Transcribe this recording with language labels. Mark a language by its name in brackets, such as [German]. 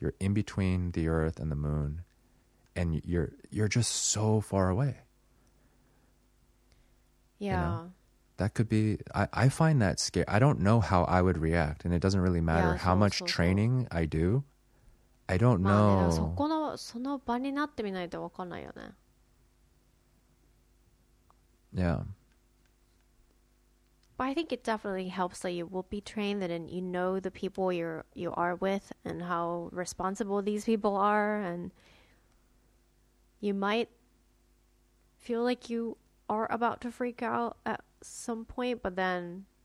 [English] You're in between the Earth and the moon, and you're just so far away. Yeah. You know? That could be, I find that scary. I don't know how I would react, and it doesn't really matter how much training I do. I don't know. [Japanese] その場になってみないと分かんないよね。 [English] Yeah. But I think it definitely helps that you will be trained and you know the people you are with and how responsible these people are, and you might feel like you are about to freak out at some point, but then